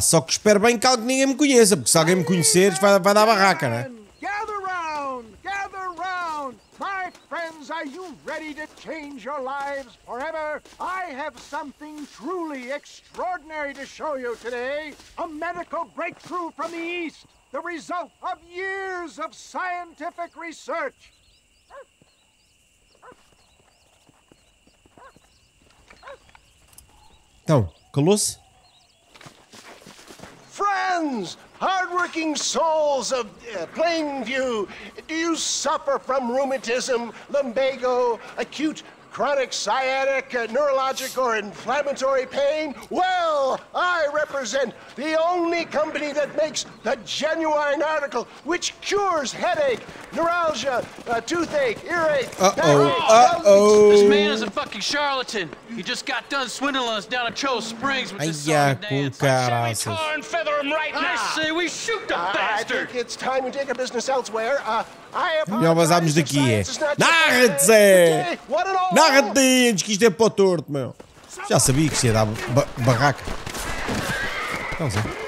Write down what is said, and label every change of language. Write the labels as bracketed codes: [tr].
[pt] Só que espero bem que alguém ninguém me conheça, porque se alguém me conhecer vai dar barraca, não é? [en] Gather round, my friends. Are you ready to change your lives forever? I have something truly extraordinary to show you today. A medical breakthrough from the East. The result of years of scientific research. [pt] Então, calou-se? [en] Friends, hard-working souls of Plainview, do you suffer from rheumatism, lumbago, acute chronic sciatic, neurologic or inflammatory pain? Well, I represent the only company that makes the genuine article which cures headache, neuralgia, toothache, earache, uh-oh. This man is a fucking charlatan. He just got done swindling us down at Cho Springs with this song and dance. I shall tar and feather him right now. I say we shoot the bastard. I think it's time we take our business elsewhere. [pt] Melhor vazarmos daqui, é. Narra-te, narra-te, antes que isto é para o torto, meu. Já sabia que isto ia dar barraca. Então, Zé.